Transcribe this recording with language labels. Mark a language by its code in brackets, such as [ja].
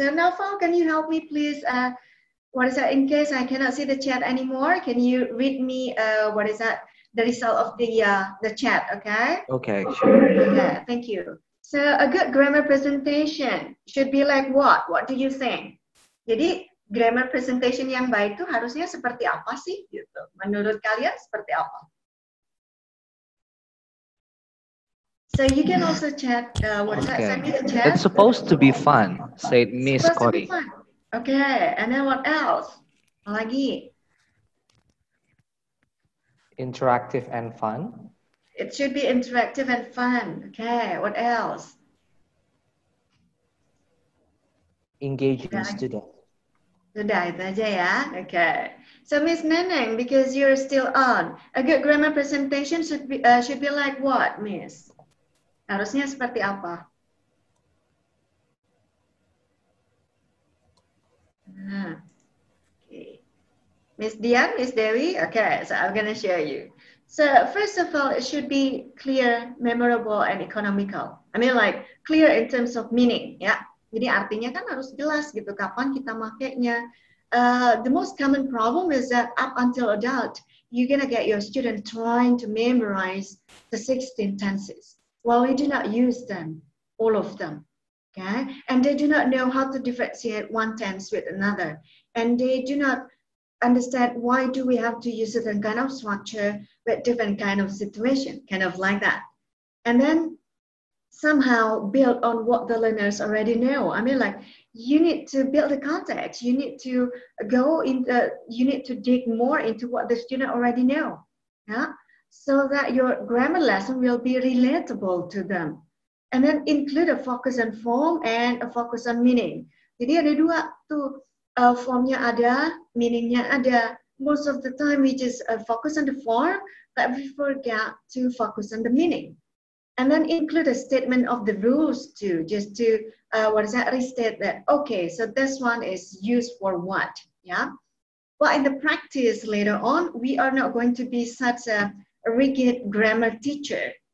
[en] So, Naufal, can you help me please? In case I cannot see the chat anymore, can you read me the result of the chat, okay? Okay, sure. Okay, thank you. So a good grammar presentation should be like what? What do you think? [id] Jadi grammar presentation yang baik itu harusnya seperti apa sih? Gitu. Menurut kalian seperti apa? [en] So you can also chat WhatsApp. Okay. Send me the chat. It's supposed to be fun, said Miss Cody. Okay, and then what else? [id] Lagi. [en] Interactive and fun. It should be interactive and fun. Okay, what else? Engaging student. [id] Sudah, itu aja ya. Okay. [en] So Miss Neneng, because you're still on, a good grammar presentation should be like what, Miss? [id] Harusnya seperti apa? [en] Okay. Miss Dian, Miss Dewi, okay, so I'm gonna show you. So first of all, it should be clear, memorable, and economical. I mean like clear in terms of meaning, yeah. [id] Jadi artinya kan harus jelas gitu, kapan kita makainya. [en] The most common problem is that up until adult, you're gonna get your student trying to memorize the 16 tenses. Well, we do not use them, all of them. Okay, and they do not know how to differentiate one tense with another. And they do not understand why do we have to use certain kind of structure with different kind of situation, kind of like that. And then somehow build on what the learners already know. I mean, like, you need to build the context. You need to go in, you need to dig more into what the student already know. Yeah, so that your grammar lesson will be relatable to them. And then include a focus on form and a focus on meaning. [id] Jadi ada dua tuh, formnya ada, meaningnya ada. [en] Most of the time we just focus on the form, but we forget to focus on the meaning. And then include a statement of the rules too, just to what is that, restate that, okay, so this one is used for what, yeah? Well, in the practice later on, we are not going to be such a rigid grammar teacher.